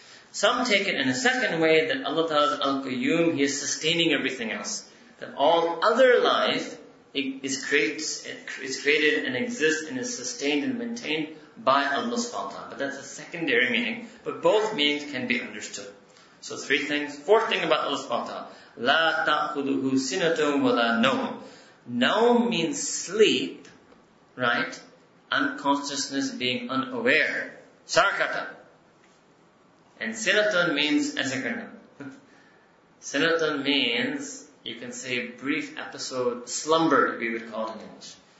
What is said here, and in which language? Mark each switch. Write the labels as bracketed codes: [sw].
[en] Some take it in a second way that Allah Ta'ala is Al-Qayyum, he is sustaining everything else. That all other life is created and exists and is sustained and maintained by Allah subhanahu wa ta'ala. But that's a secondary meaning. But both meanings can be understood. So three things. Fourth thing about Allah subhanahu wa ta'ala. [ar] لا تأخذه سنة ولا نوم. [en] نوم means sleep, right? Unconsciousness, being unaware. Sarakata. And sinatun means asakarna. Sinatun means, you can say, brief episode, slumber, we would call it in English.